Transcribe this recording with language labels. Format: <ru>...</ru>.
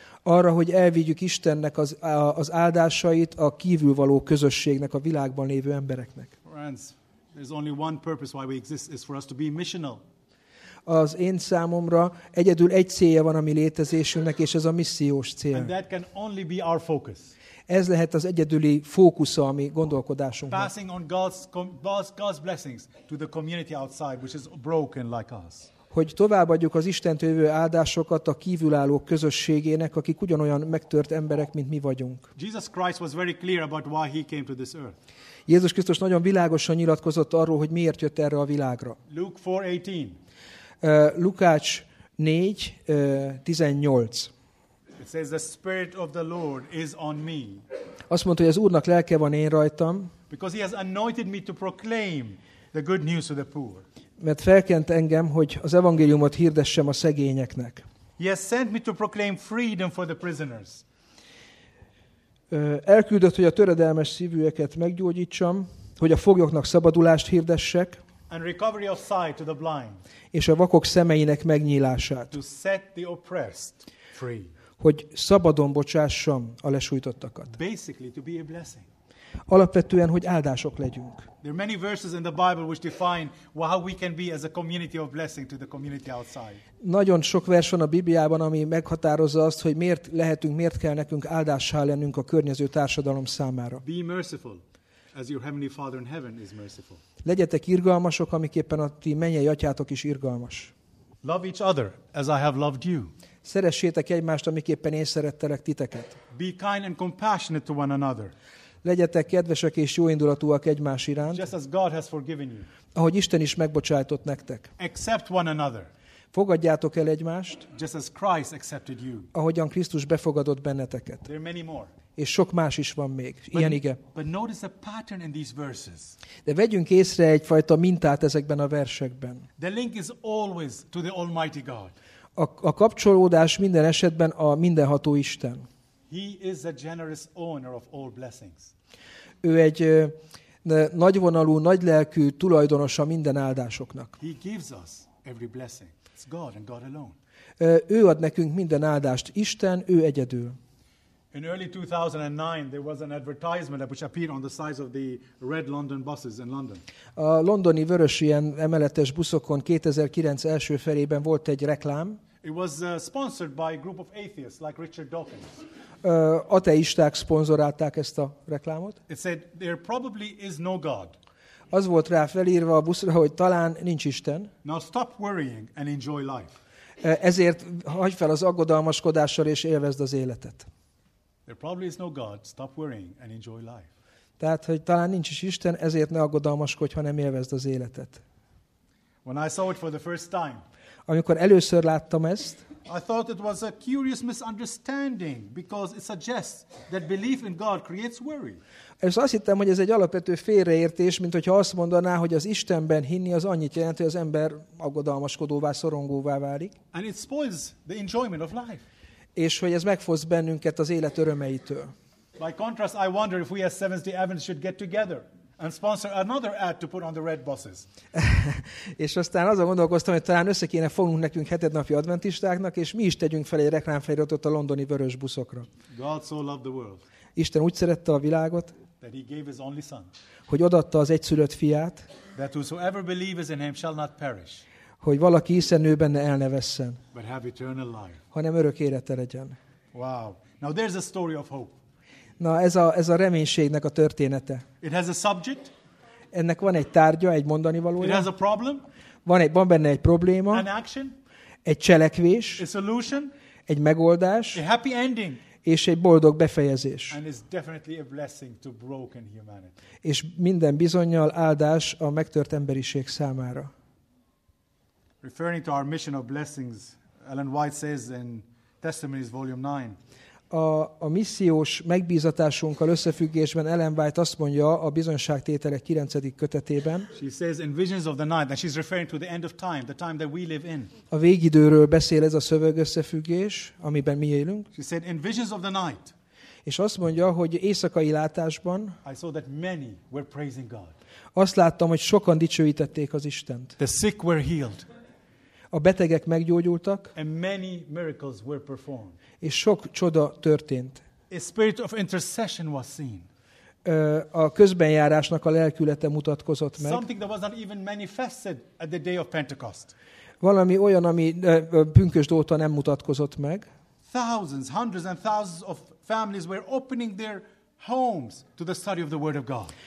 <hu>Arra, hogy elvigyük Istennek az áldásait a kívülvaló közösségnek, a világban lévő embereknek.</hu> <en>Friends, there's only one purpose why we exist, is for us to be missional.</en> <hu>Az én számomra egyedül egy célja van a mi létezésünknek, és ez a missziós cél.</hu> <en>And that can only be our focus.</en> <hu>Ez lehet az egyedüli fókusza a mi gondolkodásunknak.</hu> <en>Passing on God's blessings to the community outside, which is broken like us.</en> <hu>Hogy továbbadjuk az Istentől jövő áldásokat a kívülállók közösségének, akik ugyanolyan megtört emberek, mint mi vagyunk.</hu> <en>Jesus Christ was very clear about why he came to this earth.</en> <hu>Jézus Krisztus nagyon világosan nyilatkozott arról, hogy miért jött erre a világra.</hu> <en>Luke 4:18.</en> <hu>Lukács 4:18.</hu> <en>It says the Spirit of the Lord is on me.</en> <hu>Azt mondta, hogy az Úrnak lelke van én rajtam.</hu> <en>Because he has anointed me to proclaim the good news to the poor.</en> <hu>Mert felkent engem, hogy az evangéliumot hirdessem a szegényeknek.</hu> <en>He has sent me to proclaim freedom for the prisoners.</en> <hu>Elküldött, hogy a töredelmes szívűeket meggyógyítsam, hogy a foglyoknak szabadulást hirdessek.</hu> <en>And recovery of sight to the blind.</en> <hu>És a vakok szemeinek megnyílását.</hu> <en>To set the oppressed free.</en> <hu>Hogy szabadon bocsássam a lesújtottakat.</hu> <en>Basically to be a blessing.</en> <hu>Alapvetően, hogy áldások legyünk.</hu> <en>There are many verses in the Bible which define how we can be as a community of blessing to the community outside.</en> <hu>Nagyon sok vers van a Bibliában, ami meghatározza azt, hogy miért lehetünk, miért kell nekünk áldássá lennünk a környező társadalom számára.</hu> <en>Be merciful, as your heavenly Father in heaven is merciful.</en> <hu>Legyetek irgalmasok, amiképpen a ti mennyei atyátok is irgalmas.</hu> <en>Love each other, as I have loved you.</en> <hu>Szeressétek egymást, amiképpen én szerettelek titeket.</hu> <en>Be kind and compassionate to one another.</en> <hu>Legyetek kedvesek és jóindulatúak egymás iránt.</hu> <en>Just as God has forgiven you.</en> <hu>Ahogy Isten is megbocsájtott nektek.</hu> <en>Accept one another.</en> <hu>Fogadjátok el egymást.</hu> <en>Just as Christ accepted you.</en> <hu>Ahogyan Krisztus befogadott benneteket.</hu> <en>There are many more.</en> <hu>És sok más is van még. Ilyen ige.</hu> <en>But notice a pattern in these verses.</en> <hu>De vegyünk észre egyfajta mintát ezekben a versekben.</hu> <en>The link is always to the Almighty God.</en> <hu>A kapcsolódás minden esetben a mindenható Isten.</hu> <en>He is a generous owner of all blessings.</en> <hu>Ő egy nagyvonalú, nagylelkű tulajdonosa minden áldásoknak.</hu> <en>He gives us every blessing. It's God and God alone.</en> <hu>Ő ad nekünk minden áldást. Isten, ő egyedül.</hu> <en>In early 2009 there was an advertisement which appeared on the sides of the red London buses in London.</en> <hu>A londoni vörös ilyen emeletes buszokon 2009 első felében volt egy reklám.</hu> <en>It was sponsored by a group of atheists like Richard Dawkins.</en> <hu>Ateisták szponzorálták ezt a reklámot.</hu> <en>It said there probably is no God.</en> <hu>Az volt rá felírva a buszra, hogy talán nincs Isten.</hu> <en>Now stop worrying and enjoy life.</en> <hu>Ezért hagyj fel az aggodalmaskodással és élvezd az életet.</hu> <en>There probably is no God. Stop worrying and enjoy life.</en> <hu>Tehát, hogy talán nincs is Isten, ezért ne aggodalmaskodj, hanem élvezd az életet.</hu> <en>When I saw it for the first time,</en> <hu>amikor először láttam ezt,</hu> <en>I thought it was a curious misunderstanding because it suggests that belief in God creates worry.</en> <hu>És azt hittem, hogy ez egy alapvető félreértés, mint hogyha azt mondaná, hogy az Istenben hinni az annyit jelent, hogy az ember aggodalmaskodóvá, szorongóvá válik.</hu> <en>And it spoils the enjoyment of life.</en> <hu>És hogy ez megfosz bennünket az élet örömeitől.</hu> <en>By contrast, I wonder if we as Seventh-day Adventists should get together and sponsor another ad to put on the red buses.</en> <hu>És aztán azon gondolkoztam, hogy talán össze kéne fognunk nekünk hetednapi adventistáknak, és mi is tegyünk fel egy reklámfeliratot a londoni vörös buszokra.</hu> <en>God so loved the world.</en> <hu>Isten úgy szerette a világot,</hu> <en>that he gave his only son.</en> <hu>Hogy odaadta az egyszülött fiát,</hu> <en>that whosoever believes in him shall not perish.</en> <hu>Hogy valaki hiszen ő benne el ne vesszen,</hu> <en>but have eternal life.</en> <hu>Hanem örök élete legyen.</hu> <en>Wow. Now there's a story of hope.</en> <hu>Na, ez a reménységnek a története.</hu> <en>It has a subject.</en> <hu>Ennek van egy tárgya, egy mondani valója.</hu> <en>It has a problem.</en> <hu>Van benne egy probléma.</hu> <en>An action.</en> <hu>Egy cselekvés.</hu> <en>A solution.</en> <hu>Egy megoldás.</hu> <en>A happy ending.</en> <hu>És egy boldog befejezés.</hu> <en>And it's definitely a blessing to broken humanity.</en> <hu>És minden bizonnyal áldás a megtört emberiség számára.</hu> <en>Referring to our mission of blessings, Ellen White says in Testimonies Volume 9.</en> <hu>A missziós megbízatásunkkal összefüggésben Ellen White azt mondja a bizonyságtételek 9. kötetében.</hu> <en>She says in visions of the night, and she's referring to the end of time, the time that we live in.</en> <hu>A végidőről beszél ez a szöveg összefüggés, amiben mi élünk.</hu> <en>She said in visions of the night.</en> <hu>És azt mondja, hogy éjszakai látásban.</hu> <en>I saw that many were praising God.</en> <hu>Azt láttam, hogy sokan dicsőítették az Istent.</hu> <en>The sick were healed.</en> <hu>A betegek meggyógyultak.</hu> <en>And many miracles were performed.</en> <hu>És sok csoda történt.</hu> <en>A spirit of intercession was seen.</en> <hu>A közbenjárásnak a lelkülete mutatkozott meg.</hu> <en>Something that was not even manifested at the day of Pentecost.</en> <hu>Valami olyan, ami pünkösd óta nem mutatkozott meg.</hu> <en>Thousands, hundreds and thousands of families were opening their homes to the study of the word of God.</en>